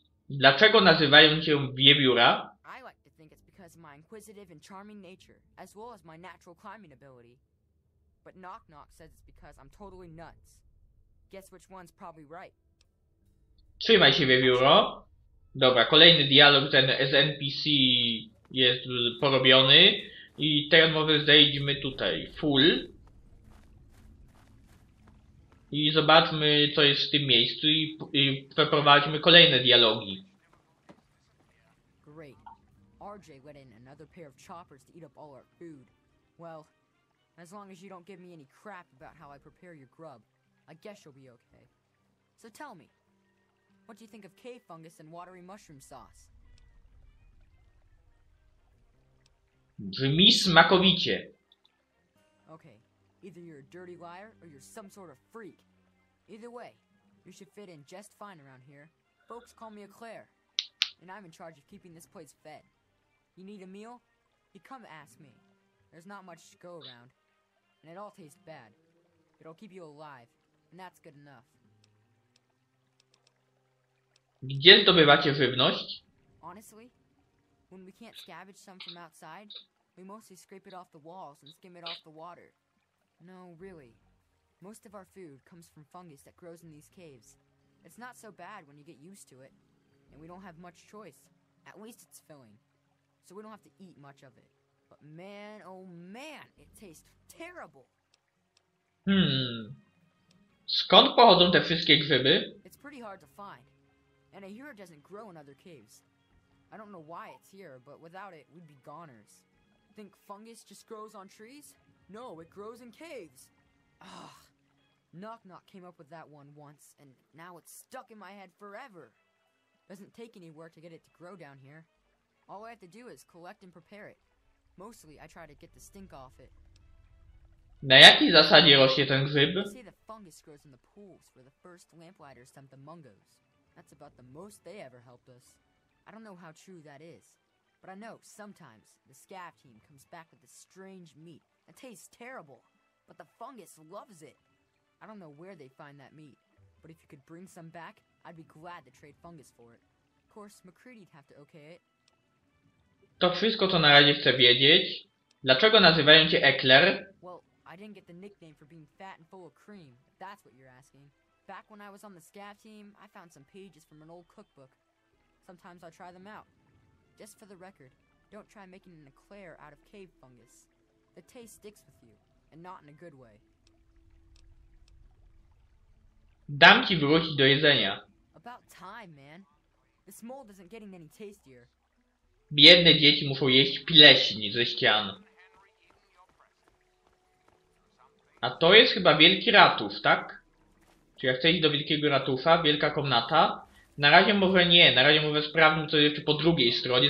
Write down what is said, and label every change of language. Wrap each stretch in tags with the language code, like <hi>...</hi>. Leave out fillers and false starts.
<pl>Dlaczego nazywają cię Wiewióra?</pl> <en>I like to think it's because of my inquisitive and charming nature, as well as my natural climbing ability. But Knock Knock says it's because I'm totally nuts. Guess which one's probably right.</en> <pl>Trzymaj się, Wiewióro. Dobra, kolejny dialog ten z NPC jest porobiony. I teraz może zejdźmy tutaj. Full. I zobaczmy, co jest w tym miejscu i przeprowadźmy kolejne dialogi.</pl> <en>Great. RJ let in another pair of choppers to eat up all our food. Well, as long as you don't give me any crap about how I prepare your grub, I guess you'll be okay. So tell me, what do you think of cave fungus and watery mushroom sauce?</en> <pl>Brzmi smakowicie.</pl> <en>Okay. Either you're a dirty liar or you're some sort of freak. Either way, you should fit in just fine around here. Folks call me Eclair, and I'm in charge of keeping this place fed. You need a meal? You come ask me. There's not much to go around, and it all tastes bad. It'll keep you alive, and that's good enough.</en> <pl>Gdzie zdobywacie żywność?</pl> <en>Honestly, when we can't scavenge some from outside, we mostly scrape it off the walls and skim it off the water. No, really. Most of our food comes from fungus that grows in these caves. It's not so bad when you get used to it. And we don't have much choice. At least it's filling. So we don't have to eat much of it. But man, oh man, it tastes terrible.</en> <pl>Skąd pochodzą te wszystkie grzyby?</pl> <en>It's pretty hard to find. And a hero doesn't grow in other caves. I don't know why it's here, but without it, we'd be goners. Think fungus just grows on trees? No, it grows in caves. Ugh. Knock Knock came up with that one once, and now it's stuck in my head forever. Doesn't take any work to get it to grow down here. All I have to do is collect and prepare it. Mostly, I try to get the stink off it.</en> <pl>Na jakiej zasadzie rośnie ten grzyb?</pl> <en>They say the fungus grows in the pools where the first lamplighters dumped the mungos. That's about the most they ever helped us. I don't know how true that is, but I know sometimes the scav team comes back with this strange meat. It tastes terrible, but the fungus loves it. I don't know where they find that meat, but if you could bring some back, I'd be glad to trade fungus for it. Of course, MacCready'd have to okay it.</en> <pl>To wszystko, co na razie chcę wiedzieć. Dlaczego nazywają cię Eckler?</pl> <en>Well, I didn't get the nickname for being fat and full of cream, if that's what you're asking. Back when I was on the scav team, I found some pages from an old cookbook. Sometimes I try them out. Just for the record, don't try making an eclair out of cave fungus. The taste sticks with you, and not in a good way.</en> <pl>Dam ci wrócić do jedzenia.</pl> <en>About time, man. This mold isn't getting any tastier.</en> <pl>Biedne dzieci muszą jeść pileśń ze ścian. A to jest chyba wielki ratusz, tak? Czy ja chcę iść do wielkiego ratusza? Wielka komnata? Na razie może nie, na razie może sprawdźmy co jeszcze po drugiej stronie.</pl>